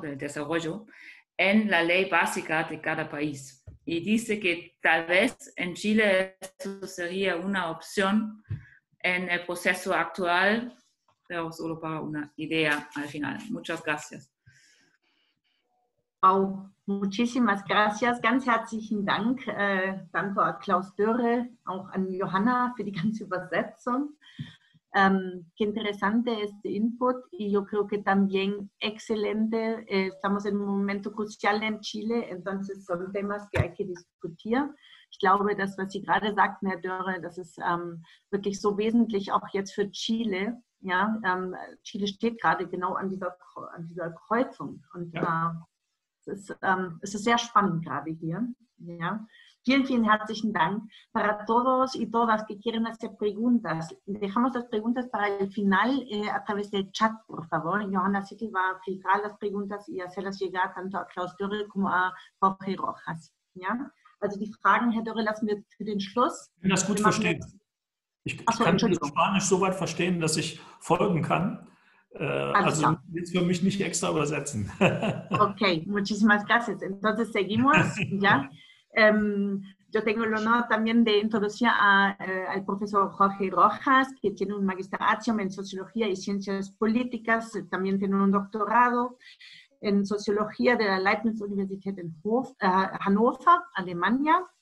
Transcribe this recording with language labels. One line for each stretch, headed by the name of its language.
Spanish: Del desarrollo, en la ley básica de cada país. Y dice que tal vez en Chile eso sería una opción en el proceso actual, pero solo para una idea al final. Muchas gracias. Wow, muchísimas gracias.
German: Ganz herzlichen Dank,
Spanish: tanto a
German: Klaus Dürre, auch an Johanna für die ganze Übersetzung.
Spanish: Qué interesante este input y yo creo que también excelente. Estamos en un momento crucial en Chile, entonces son temas que hay que discutir.
German: Ich glaube, das, was Sie gerade sagten, Herr Dürre, das ist wirklich so wesentlich auch jetzt für Chile. Ja, Chile steht gerade genau an dieser Kreuzung und ja. Es ist sehr spannend gerade hier. Ja. Vielen, vielen herzlichen Dank
Spanish: para todos y todas que quieren hacer preguntas. Dejamos las preguntas para el final a través del chat, por favor. Johanna Sittel va a filtrar las preguntas y hacerlas llegar tanto a Klaus Dürre como a Jorge Rojas. ¿Ya?
German: Also die Fragen, Herr Dürre, lassen wir für den Schluss. Ich kann das gut verstehen. Ich kann das Spanisch so weit verstehen, dass ich folgen kann. Jetzt für mich nicht extra übersetzen.
Spanish: Okay, muchísimas gracias. Entonces seguimos, ¿ya? Yo tengo el honor también de introducir al profesor Jorge Rojas, que tiene un magisterio en Sociología y Ciencias Políticas, también tiene un doctorado en Sociología de la Leibniz Universität en Hannover, Alemania.